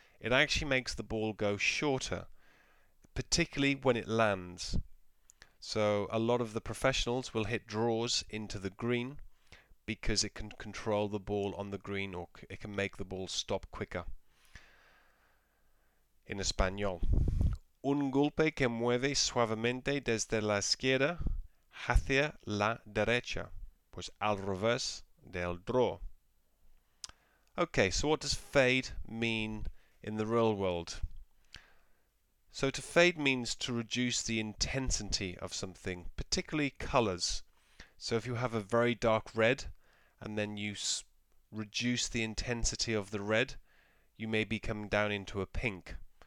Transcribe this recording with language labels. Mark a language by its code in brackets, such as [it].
[en] It actually makes the ball go shorter, particularly when it lands. So a lot of the professionals will hit draws into the green because it can control the ball on the green or it can make the ball stop quicker. In Espanol, [es] un golpe que mueve suavemente desde la izquierda hacia la derecha, pues al revés del draw. [en] Okay, so what does fade mean in the real world? So to fade means to reduce the intensity of something, particularly colours. So if you have a very dark red and then you reduce the intensity of the red, you may be coming down into a pink.